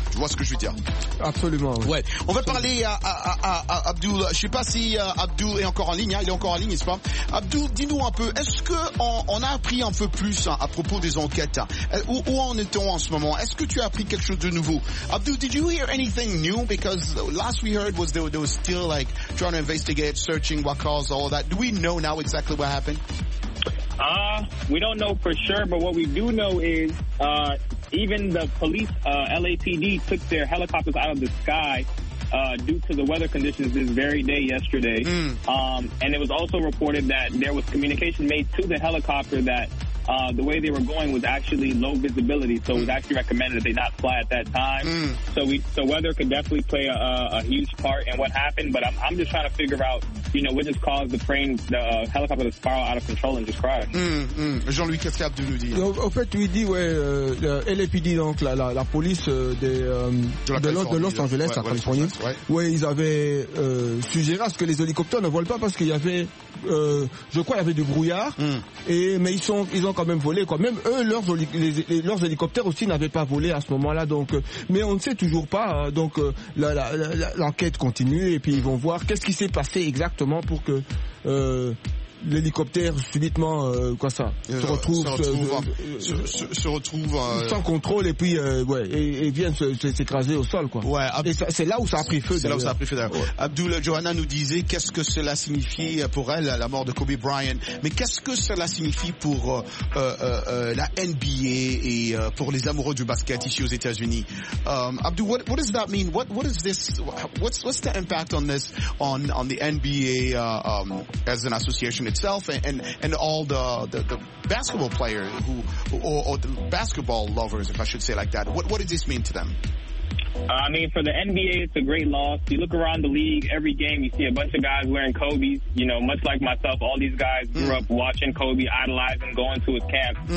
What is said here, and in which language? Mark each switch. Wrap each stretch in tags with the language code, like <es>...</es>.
<fr>Tu vois ce que je veux dire? Absolument. Oui. Ouais. On va parler à Abdou. Je sais pas si Abdou est encore en ligne. Hein. Il est encore en ligne, n'est-ce pas? Abdou, dis-nous un peu. Est-ce que on a appris un peu plus à propos des enquêtes, où en est-on en ce moment? Est-ce que tu as appris quelque chose de nouveau?</fr> <en>Abdou, did you hear anything new? Because last we heard was they were still like trying to investigate, searching what caused all that. Do we know now exactly what happened? We don't know for sure, but what we do know is even the police, LAPD, took their helicopters out of the sky due to the weather conditions this very day yesterday. And it was also reported that there was communication made to the helicopter that the way they were going was actually low visibility, so it was actually recommended that they not fly at that time. So weather could definitely play a huge part in what happened, but I'm just trying to figure out, you know, what just caused the plane, the helicopter, to spiral out of control and just crash.</en> <fr>Jean-Louis, qu'est-ce qu'il y a de nous dire? Donc, en fait, lui dit, ouais, LAPD, donc la police de Los Angeles, ouais, à Californie, ouais, ils avaient suggéré à ce que les hélicoptères ne volent pas parce qu'il y avait, je crois, il y avait du brouillard, mais ils ont quand même volé, quoi. Même eux, leurs hélicoptères aussi n'avaient pas volé à ce moment-là, donc, mais on ne sait toujours pas, donc, l'enquête continue, et puis ils vont voir qu'est-ce qui s'est passé exactement pour que, l'hélicoptère subitement sans contrôle, et puis et vient s'écraser au sol, quoi. Ouais, c'est là où ça a pris feu. C'est là où ça a pris feu. Ouais. Abdul Johanna nous disait qu'est-ce que cela signifie pour elle, la mort de Kobe Bryant, mais qu'est-ce que cela signifie pour la NBA et pour les amoureux du basket ici aux États-Unis.</fr> <en>Abdul, what does that mean? What is this? What's the impact on this on the NBA as an association itself and all the basketball players or the basketball lovers, if I should say like that, what does this mean to them? I mean, for the NBA, it's a great loss. You look around the league, every game you see a bunch of guys wearing Kobe's, you know, much like myself, all these guys grew up watching Kobe, idolizing, going to his camp.</en>